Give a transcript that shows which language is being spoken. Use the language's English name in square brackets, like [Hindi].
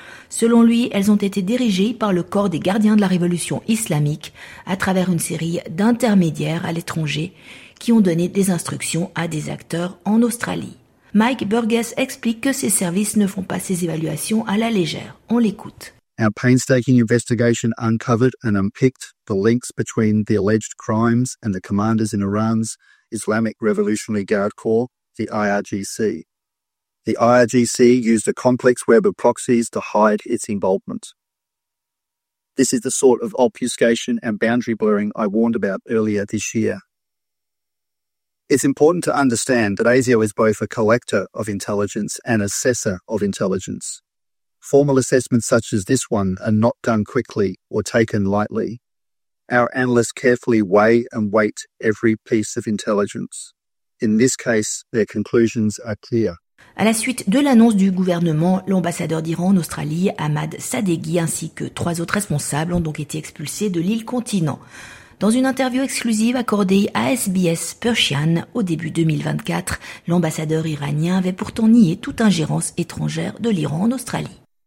[French] Selon lui, elles ont été dirigées par le corps des gardiens de la révolution islamique à travers une série d'intermédiaires à l'étranger qui ont donné des instructions à des acteurs en Australie. Mike Burgess explique que ces services ne font pas ces évaluations à la légère. On l'écoute. [English] Our painstaking investigation uncovered and unpicked the links between the alleged crimes and the commanders in Iran's Islamic Revolutionary Guard Corps, the IRGC. The IRGC used a complex web of proxies to hide its involvement. This is the sort of obfuscation and boundary blurring I warned about earlier this year. It's important to understand that ASIO is both a collector of intelligence and assessor of intelligence. Formal assessments such as this one are not done quickly or taken lightly. Our analysts carefully weigh and weight every piece of intelligence. In this case, their conclusions are clear. [French] À la suite de l'annonce du gouvernement, l'ambassadeur d'Iran en Australie, Ahmad Sadeghi, ainsi que 3 autres responsables ont donc été expulsés de l'île continent. Dans une interview exclusive accordée à SBS Persian au début 2024, l'ambassadeur iranien avait pourtant nié toute ingérence étrangère de l'Iran en Australie.